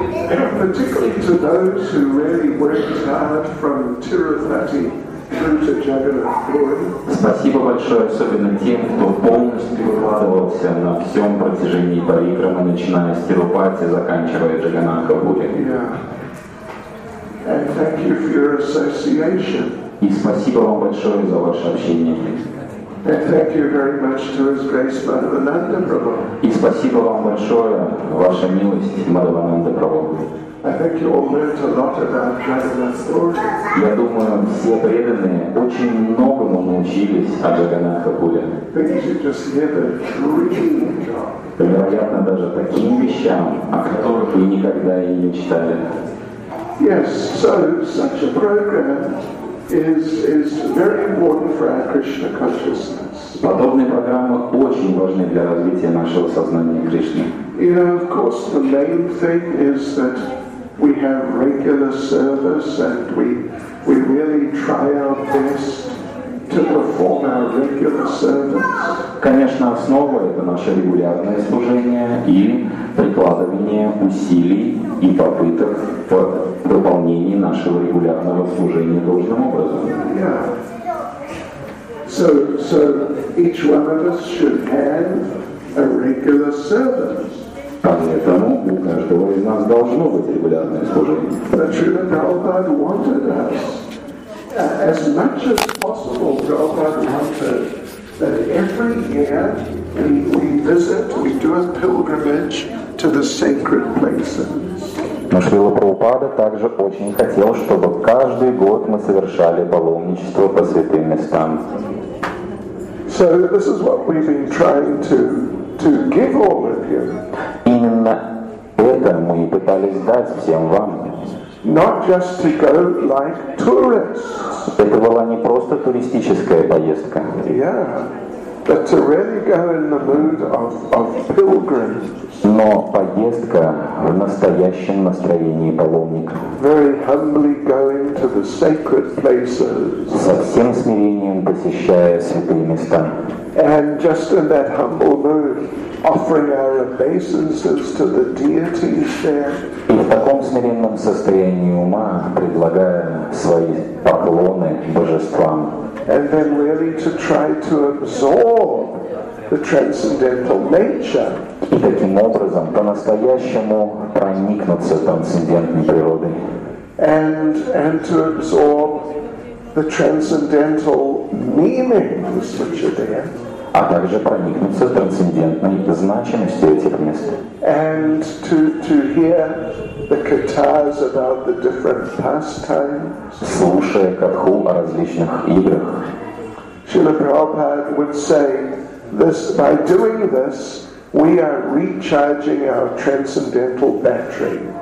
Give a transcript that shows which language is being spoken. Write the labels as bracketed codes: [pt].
[en] And particularly to those who really worked hard from Tirupati through to Jagannath Puri. [ru] Спасибо большое особенно тем, кто полностью вкладывался на всем протяжении парикрамы, начиная с Тирупати, заканчивая Джаганнатха Пури. [en] Yeah. And thank you for your association. [ru] И спасибо вам большое за ваше общение. [en] And thank you very much to His Grace Madhavananda Prabhu. [ru] И спасибо вам большое, ваша милость, Мадхавананда Прабху. [en] I think you all learned a lot about Jagannath Puri. [ru] Я думаю, все преданные очень многому научились о Джаганнатхе Пури. [en] Because you just hear the dream job. [ru] Вероятно, даже таким вещам, о которых вы никогда и не читали. [en] Yes, so such a program is very important for our Krishna consciousness. [ru] Подобные программы очень важны для развития нашего сознания Кришны. [en] Yeah, of course, the main thing is that we have regular service and we really try our best to perform our regular service. [ru] Конечно, основа это наше регулярное служение и прикладывание усилий и попыток в выполнении нашего регулярного служения должным образом. [en] Yeah. So each one of us should have a regular service. [ru] Поэтому у каждого из нас должно быть регулярное служение. [en] The Srila Prabhupada wanted us, as much as possible, Prabhupada wanted that every year we visit, we do a pilgrimage to the sacred places. [ru] Но Шрила Прабхупада также очень хотел, чтобы каждый год мы совершали паломничество по святым местам. [en] So this is what we've been trying to give all of you. [ru] Именно это мы и пытались дать всем вам. [en] Not just to go like tourists. [ru] Это была не просто туристическая поездка. [en] Yeah. But to really go in the mood of pilgrims. [ru] Но поездка в настоящем настроении паломника. [en] Very humbly going to the sacred places. [ru] Со всем смирением посещая святые места. [en] And just in that humble mood, offering our obeisances to the deities there. [ru] И в таком смиренном состоянии ума, предлагая свои поклоны божествам. [en] And then really to try to absorb the transcendental nature. [ru] И таким образом по-настоящему проникнуться трансцендентной природой. [en] And to absorb the transcendental meanings which are there. [ru] А также проникнуться трансцендентной значимостью этих мест. [en] And to hear the katas about the different pastimes. [ru] Слушая катху о различных играх. [en] Srila Prabhupada would say, this by doing this, we are recharging our transcendental batteries.